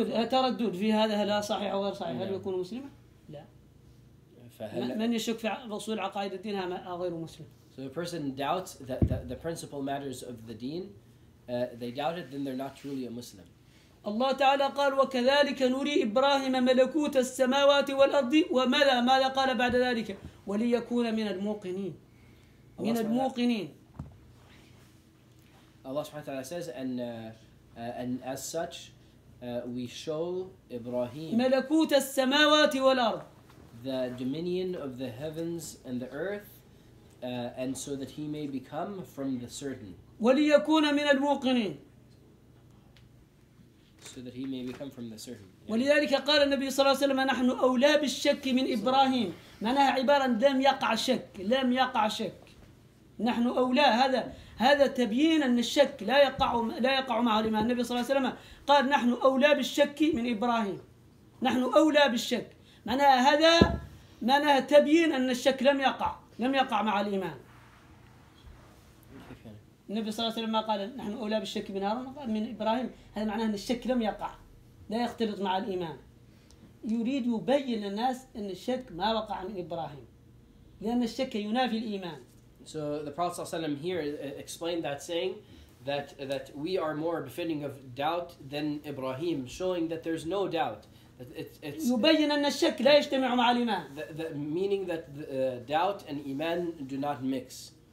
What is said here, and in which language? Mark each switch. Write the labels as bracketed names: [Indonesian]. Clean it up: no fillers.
[Arabic] تردد في هذا لا صحيح أو غير صحيح. هل يكون مسلما؟ لا. من يشك في أصول عقائد الدين هم غير مسلم. [English] So the person doubts the principal matters of the deen, they doubt it, then they're not truly a Muslim. [Arabic] الله تعالى قال وكذلك نري إبراهيم ملكوت السماوات والأرض وملا ماذا قال بعد ذلك وليكون من الموقنين من الموقنين. [English] Allah سبحانه وتعالى says and as such we show Ibrahim [Arabic] ملكوت السماوات والأرض [English] the dominion of the heavens and the earth and so that he may become from the certain [Arabic] وليكون من الموقنين. [English] So that he may become from the certain. [Arabic] ولذلك قال النبي صلى الله عليه وسلم نحن أولى بالشك من إبراهيم. معناها عبارة لم يقع شك. لم يقع شك. نحن أولى هذا هذا تبيين أن الشك لا يقع مع الإمام. النبي صلى الله عليه وسلم قال نحن أولى بالشك من إبراهيم، نحن أولى بالشك، معناها هذا معناها تبيين أن الشك لم يقع مع الإمام. النبي صلى الله عليه وسلم قال نحن أولى بالشك من هارون من إبراهيم، هذا معناه أن الشك لم يقع، لا يختلط مع الإمام. يريد يبين للناس أن الشك ما وقع من إبراهيم، لأن الشك ينافي الإيمان. [English] So the Prophet ﷺ here explained that saying that we are more befitting of doubt than Ibrahim, showing that there's no doubt. It's [Arabic] يبين أن الشك لا يجتمع مع الإيمان. [English] Meaning that the doubt and iman do not mix.